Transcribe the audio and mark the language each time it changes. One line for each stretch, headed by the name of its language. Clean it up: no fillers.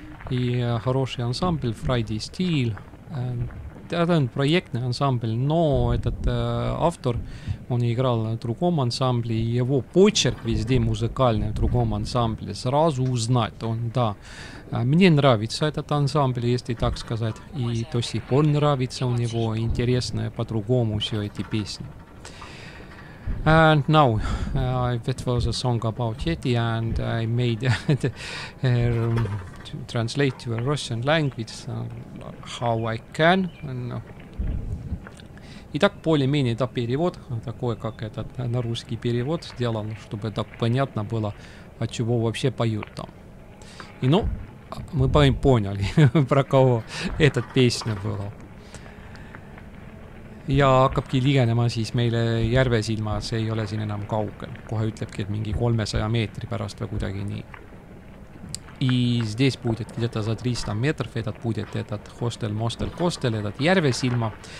Russian: И хороший ансамбль Friday Steel. Это проектный ансамбль, но этот автор, он играл в другом ансамбле, и его почерк везде музыкальный в другом ансамбле. Сразу узнать, он, да. Мне нравится этот ансамбль, если так сказать. И до сих пор нравится у него, интересно по-другому все эти песни.
English: And now, that was a song about Yeti, and I made it translate to a Russian language how I can.
Russian: Итак, более-менее это перевод, такой, как этот на русский перевод сделан, чтобы так понятно было, о чего вообще поют там. И ну, мы поняли, про кого эта песня была.
Estonian: Ja hakkabki ligenema siis meile järve silma, see ei ole siin enam kaugel. Kohe ütlebki, et mingi 300 meetri pärast või kuidagi nii.
Russian: И здесь будет где-то за 300 метров этот будет этот хостел, мостел, костел, этот Järve Silma.